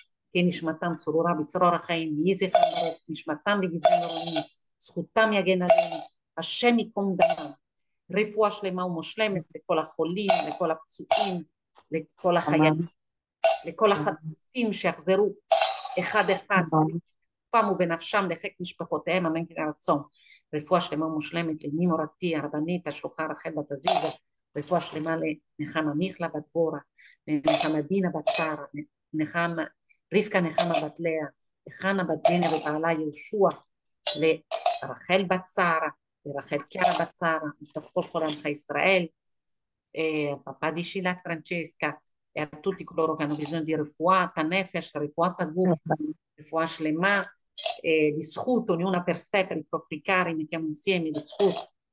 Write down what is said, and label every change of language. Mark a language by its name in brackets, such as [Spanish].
[Hebrew] Tehi Nishmatam Tzurura B'Tzror HaChaim, Yehi Zichram Baruch, Nishmatam B'Gibul Rahamim, Zchutam Yagen Aleinu, Hashem Yikom Damam, Refuah Shlema U'Mushlemet Lekol HaCholim, Lekol HaPtzuim, לכל החיילים, לכל החטופים שיחזרו אחד אחד בגופם ובנפשם לחיק משפחותיהם, אמן כן יהי רצון. רפואה שלמה ומושלמת לאמי מורתי הרבנית השלוחה רחל בת עזיזה, רפואה שלמה לנחמה מיכלה בת דבורה, לנחמה דינה בת שרה, לנחמה רבקה נחמה בת לאה, לחנה בת גנר ובעלה יהושע, לרחל בת שרה, לרחל קיארה בת שרה, מתוך כל עמך ישראל. [Italian] A papà di Shilat Francesca e a tutti coloro che hanno bisogno di [Hebrew] refuata nefesh, refuata guf, refuah shlema, [Italian] di scuto, ognuna per sé, per i propri cari, mettiamo insieme di scuto.